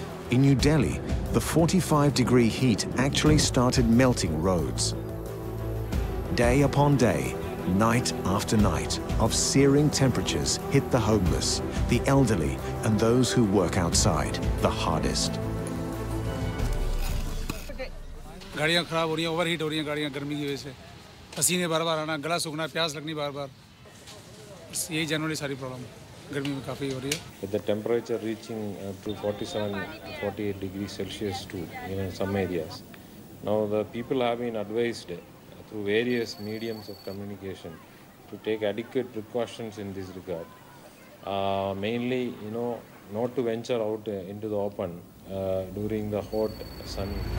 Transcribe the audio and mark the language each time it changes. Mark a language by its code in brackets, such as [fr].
[en] In New Delhi, the 45-degree heat actually started melting roads. Day upon day, night after night of searing temperatures hit the homeless, the elderly, and those who work outside the hardest. [hi] गाड़ियां खराब हो रही हैं, overheat हो रही हैं गाड़ियां गर्मी की वजह से, पसीने बार-बार आना, गला सूखना, प्यास लगनी बार-बार, ये जनरली सारी प्रॉब्लम गर्मी में काफी हो रही है. [en] With the temperature reaching to 47-48 degrees Celsius too in some areas. Now the people have been advised through various mediums of communication to take adequate precautions in this regard. Mainly, you know, not to venture out into the open during the hot sun.